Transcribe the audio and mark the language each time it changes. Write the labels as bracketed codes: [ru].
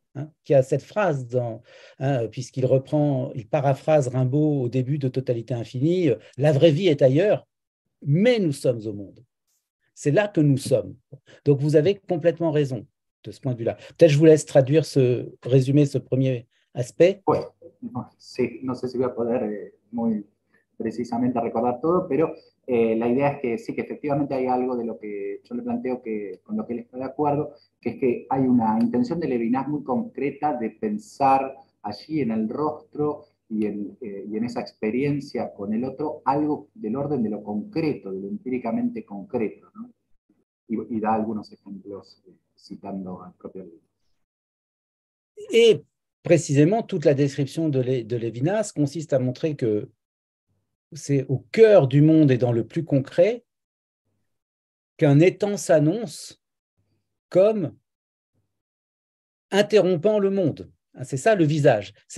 [fr] Hein, qu'il y a cette phrase, dans, hein, puisqu'il reprend... Il paraphrase Rimbaud au début de Totalité infinie. La vraie vie est ailleurs, mais nous sommes au monde. C'est là que nous sommes. Donc, vous avez complètement raison. De ce point de vue-là. Peut-être je vous laisse traduire ce résumé, ce premier aspect. [es] Oui, sí, no sé si voy a poder muy precisamente recordar todo, pero la idea es que sí, que efectivamente hay algo de lo que yo le planteo que, con lo que él está de acuerdo, que es que hay una intención de Lévinas muy concreta de pensar a allí en el rostro y en esa experiencia con el otro algo del orden de lo concreto, de lo empíricamente concreto, ¿no? Y da algunos ejemplos citando al propio libro. [fr] Et précisément, toute la description de Lévinas consiste à montrer que c'est au cœur du monde et dans le plus concret qu'un étant s'annonce comme interrompant le monde. C'est ça le visage.